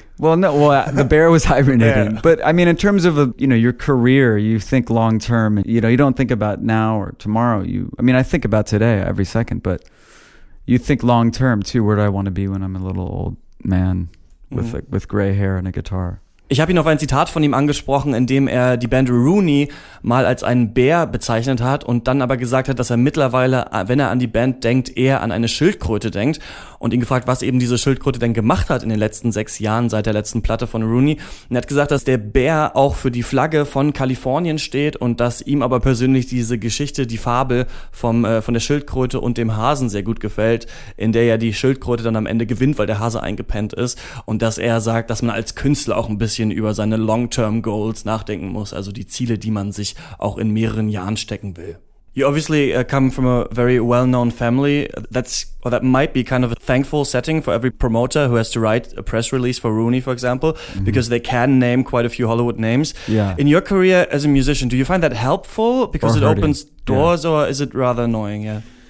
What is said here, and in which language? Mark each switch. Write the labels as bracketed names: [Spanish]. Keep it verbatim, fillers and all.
[English] Well, no. Well, the bear was hibernating. Yeah. But I mean, in terms of a, you know your career, you think long term. You know, you don't think about now or tomorrow. You, I mean, I think about today every second, but you think long term too. Where do I want to be when I'm a little old man with mm. a, with gray hair and a guitar? [German] Ich habe ihn auf ein Zitat von ihm angesprochen, in dem er die Band Rooney mal als einen Bär bezeichnet hat und dann aber gesagt hat, dass er mittlerweile, wenn er an die Band denkt, eher an eine Schildkröte denkt und ihn gefragt, was eben diese Schildkröte denn gemacht hat in den letzten sechs Jahren seit der letzten Platte von Rooney. Und er hat gesagt, dass der Bär auch für die Flagge von Kalifornien steht und dass ihm aber persönlich diese Geschichte, die Fabel vom, äh, von der Schildkröte und dem Hasen sehr gut gefällt, in der ja die Schildkröte dann am Ende gewinnt, weil der Hase eingepennt ist und dass er sagt, dass man als Künstler auch ein bisschen über seine Long-Term-Goals nachdenken muss, also die Ziele, die man sich auch in mehreren Jahren stecken will. [English] You obviously uh, come from a very well-known family. That's or that might be kind of a thankful setting for every promoter who has to write a press release for Rooney, for example, mm-hmm. because they can name quite a few Hollywood names. Yeah. In your career as a musician, do you find that helpful because or it hurting. opens doors, yeah. or is it rather annoying? Yeah,